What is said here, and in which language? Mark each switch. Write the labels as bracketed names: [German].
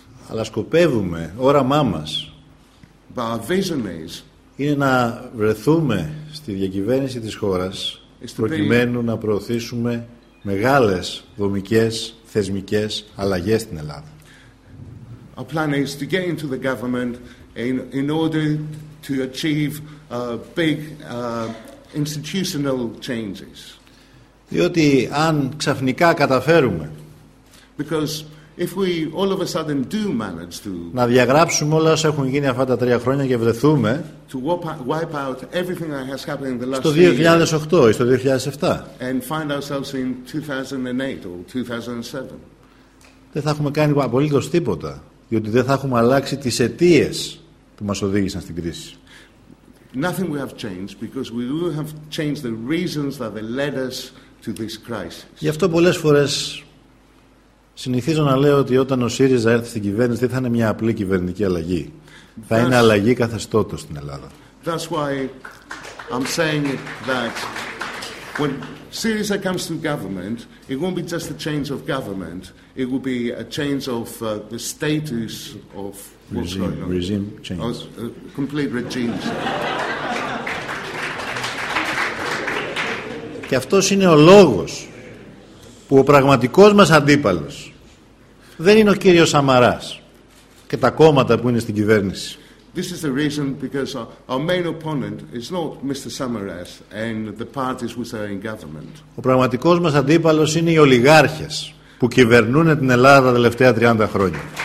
[Greek] Αλλά σκοπεύουμε, όραμά μας, [English] but our vision is, [Greek] είναι να βρεθούμε στη διακυβέρνηση της χώρας προκειμένου να προωθήσουμε μεγάλες δομικές θεσμικές αλλαγές στην Ελλάδα. [English] Our plan is to get into the government in order to achieve big institutional changes. [Greek] Διότι αν ξαφνικά καταφέρουμε [English] if we all of a sudden do manage to, [Greek] να διαγράψουμε όλα όσα έχουν γίνει αυτά τα τρία χρόνια και βρεθούμε [English] to wipe out everything that has happened in the last [Greek] στο 2008 ή στο 2007, [English] and find ourselves in 2008 or 2007, [Greek] δεν θα έχουμε κάνει απολύτως τίποτα, διότι δεν θα έχουμε αλλάξει τις αιτίες που μας οδήγησαν στην κρίση. [English] Nothing we have changed because we will have changed the reasons that they led us to this crisis. [Greek] Γι' αυτό πολλές φορές συνηθίζω να λέω ότι όταν ο ΣΥΡΙΖΑ έρθει στην κυβέρνηση δεν θα είναι μια απλή κυβερνητική αλλαγή. Θα είναι αλλαγή καθεστώτος στην Ελλάδα. [English] That's why I'm saying that when Syriza comes to government, it won't be just a change of government, it will be a change of the status of regime change. Complete regime. [Greek] Και αυτός είναι ο λόγος που ο πραγματικός μας αντίπαλος δεν είναι ο κύριος Σαμαράς και τα κόμματα που είναι στην κυβέρνηση. [English] This is the reason because our main opponent is not Mr. Samaras and the parties which are in government. [Greek] Ο πραγματικός μας αντίπαλος είναι οι ολιγάρχες που κυβερνούν την Ελλάδα τα τελευταία 30 χρόνια.